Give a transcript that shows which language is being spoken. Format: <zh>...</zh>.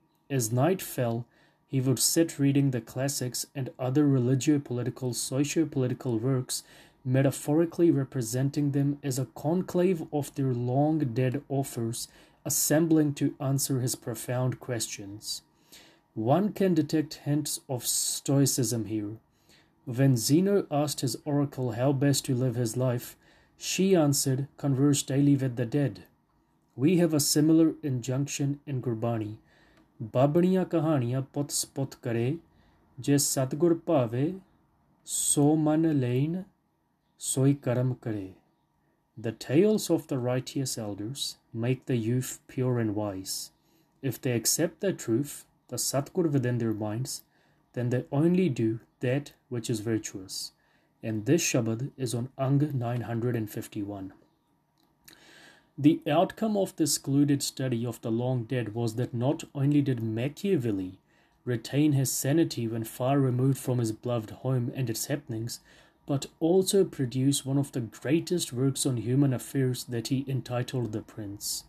<en>As night fell, he would sit reading the classics and other religio-political, socio-political works, metaphorically representing them as a conclave of their long-dead authors, assembling to answer his profound questions. One can detect hints of Stoicism here. When Zeno asked his oracle how best to live his life, she answered, "Converse daily with the dead." We have a similar injunction in Gurbani.</en> <pa>ਬਾਬਣੀਆਂ ਕਹਾਣੀਆਂ ਪੁੱਤ ਸਪੁੱਤ ਕਰੇ, ਜੇ ਸਤਿਗੁਰ ਭਾਵੇ ਸੋ ਮਨ ਲੈਣ ਸੋਈ ਕਰਮ ਕਰੇ.</pa> <en>The tales of the righteous elders make the youth pure and wise. If they accept the truth, the Satgur within their minds, then they only do that which is virtuous. And this shabad is on Ang 951. The outcome of this secluded study of the long dead was that not only did Machiavelli retain his sanity when far removed from his beloved home and its happenings, but also produced one of the greatest works on human affairs that he entitled The Prince.</en>